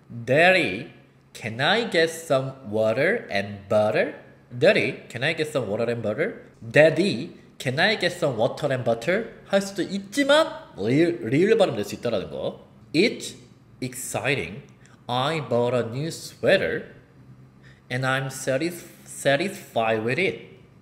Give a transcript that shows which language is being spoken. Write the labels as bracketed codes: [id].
[en] Daddy, can I get some water and butter? Daddy, can I get some water and butter? Daddy, can I get some water and butter? [ko] 할 수도 있지만 리을 발음 낼 수 있다라는 거. [en] It's exciting. I bought a new sweater and I'm satisfied with it.